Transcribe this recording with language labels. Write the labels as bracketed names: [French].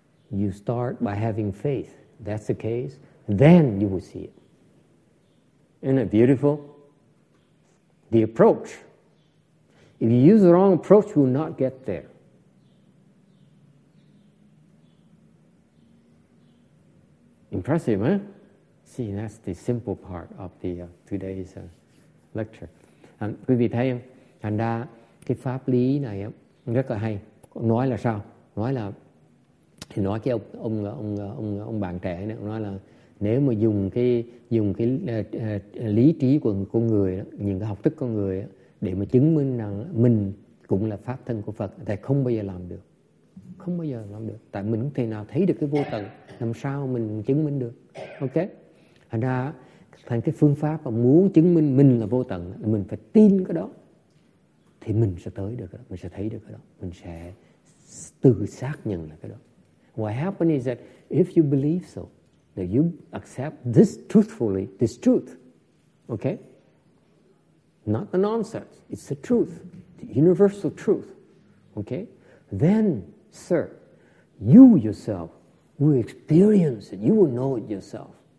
[English] You start by having faith. That's the case. Then you will see it. Isn't it beautiful? The approach. If you use the wrong approach, you will not get there. Impressive, huh? See, that's the simple part of the today's lecture. [Vietnamese] Quý vị thấy không? Thành ra cái pháp lý này rất là hay. Nói là sao? Nói là thì nói cái ông bạn trẻ này nói là nếu mà dùng cái lý trí của con người đó, những cái học thức con người đó, để mà chứng minh rằng mình cũng là pháp thân của Phật thì không bao giờ làm được. Không bao giờ làm được. Tại mình không thể nào thấy được cái vô tận. Làm sao mình chứng minh được? Ok? Thành cái phương pháp mà muốn chứng minh mình là vô tận, mình phải tin cái đó. Thì mình sẽ tới được cái đó. Mình sẽ thấy được cái đó. Mình sẽ tự xác nhận là cái đó. [English] What happens is that if you believe so, that you accept this truthfully, this truth. Ok? Not the nonsense. It's the truth. The universal truth. Ok? Then, sir, you yourself will experience it. You will know it yourself.